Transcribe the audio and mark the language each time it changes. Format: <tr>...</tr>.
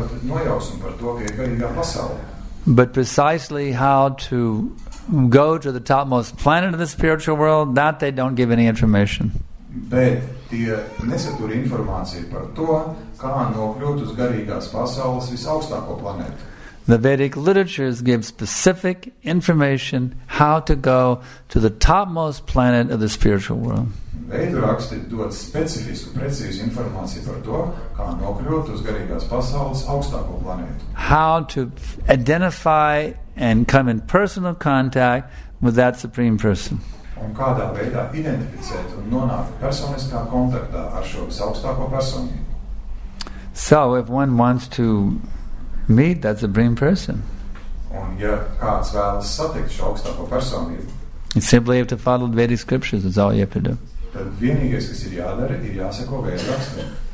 <en>But precisely how to go to the topmost planet of the spiritual world, that they don't give any information.</en> <lv>Bet tie nesatur informāciju par to, kā nokļūt uz garīgās pasaules visaugstāko planētu.</lv> <en>The Vedic literatures give specific information how to go to the topmost planet of the spiritual world.</en> <lv>Vedu raksti dod specifisku, precīzu informāciju par to, kā nokļūt uz garīgās pasaules augstāko planētu.</lv> <en>How to identify and come in personal contact with that supreme person.</en> <lv>Un kādā veidā identificēt un nonākt personiskā kontaktā ar šo visaugstāko personu.</lv> <en>So, if one wants to meet that supreme person,</en> <lv>un ja kāds vēlas satikt šo augstāko personu,</lv> <en>you simply have to follow the Vedic scriptures, that's all you have to do.</en> <lv>Tad vienīgais, kas ir jādara, ir jāseko Vedic rakstiem.</lv>